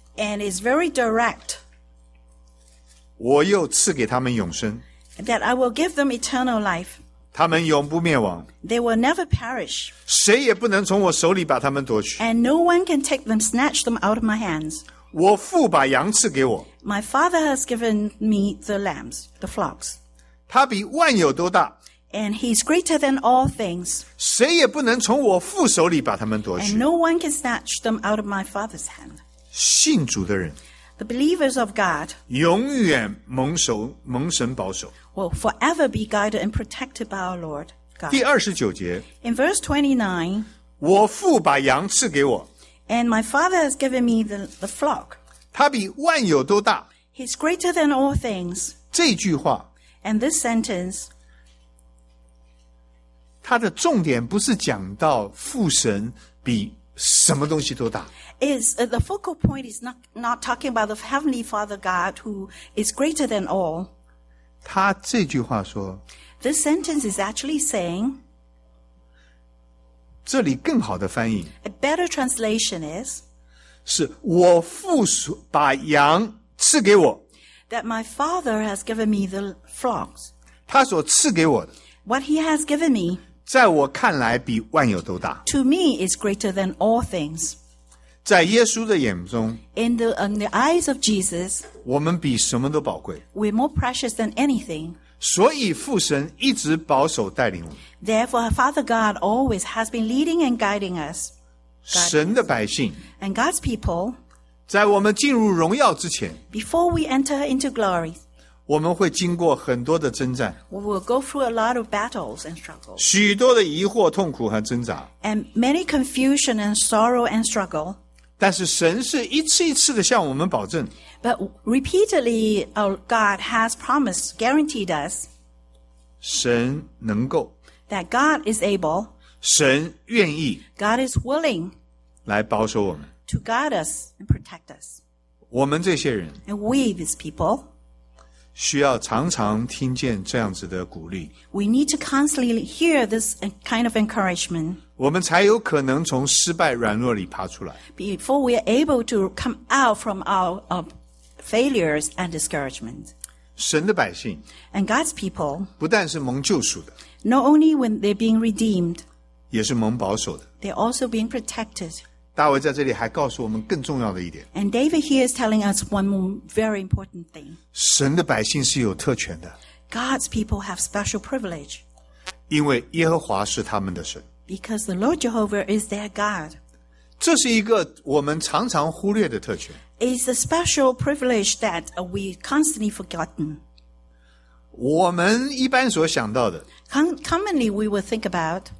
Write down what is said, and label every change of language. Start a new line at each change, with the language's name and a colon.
English: And it's very direct.
Chinese: 我又赐给他们永生。
English: That I will give them eternal life.
Chinese: 他们永不灭亡。
English: They will never perish.
Chinese: 谁也不能从我手里把他们夺去。
English: And no one can take them, snatch them out of my hands.
Chinese: 我父把羊赐给我。
English: My father has given me the lambs, the flocks.
Chinese: 他比万有都大。
English: And he's greater than all things.
Chinese: 谁也不能从我父手里把他们夺去。
English: And no one can snatch them out of my father's hand.
Chinese: 信主的人
English: The believers of God
Chinese: 永远蒙神保守
English: will forever be guided and protected by our Lord God
Chinese: 第二十九节
English: In verse 29
Chinese: 我父把羊赐给我
English: And my father has given me the flock
Chinese: 他比万有都大
English: He's greater than all things
Chinese: 这句话
English: And this sentence
Chinese: 它的重点不是讲到父神比什么东西都大
English: Is the focal point is not talking about the Heavenly Father God who is greater than all.
Chinese: 他这句话说
English: This sentence is actually saying
Chinese: 这里更好的翻译
English: A better translation is
Chinese: 是我父把羊赐给我
English: That my father has given me the flocks.
Chinese: 他所赐给我的
English: What he has given me
Chinese: 在我看来比万有都大
English: To me is greater than all things.
Chinese: 在耶稣的眼中
English: In the eyes of Jesus
Chinese: 我们比什么都宝贵
English: We're more precious than anything
Chinese: 所以父神一直保守带领我们
English: Therefore Father God always has been leading and guiding us
Chinese: 神的百姓
English: And God's people
Chinese: 在我们进入荣耀之前
English: Before we enter into glory
Chinese: 我们会经过很多的征战
English: We will go through a lot of battles and struggles
Chinese: 许多的疑惑痛苦和挣扎
English: And many confusion and sorrow and struggle
Chinese: 但是神是一次一次的向我们保证
English: But repeatedly our God has promised, guaranteed us
Chinese: 神能够
English: That God is able
Chinese: 神愿意
English: God is willing
Chinese: 来保守我们
English: To guard us and protect us
Chinese: 我们这些人
English: And we these people
Chinese: 需要常常听见这样子的鼓励
English: We need to constantly hear this kind of encouragement
Chinese: 我们才有可能从失败软弱里爬出来。
English: Before we are able to come out from our failures and discouragement.
Chinese: 神的百姓
English: And God's people
Chinese: 不但是蒙救赎的
English: Not only when they're being redeemed
Chinese: 也是蒙保守的
English: They're also being protected.
Chinese: 大卫在这里还告诉我们更重要的一点
English: And David here is telling us one more very important thing.
Chinese: 神的百姓是有特权的
English: God's people have special privilege.
Chinese: 因为耶和华是他们的神。
English: Because the Lord Jehovah is their God.
Chinese: 这是一个我们常常忽略的特权。
English: It's a special privilege that we constantly forgotten.
Chinese: 我们一般所想到的
English: commonly we will think about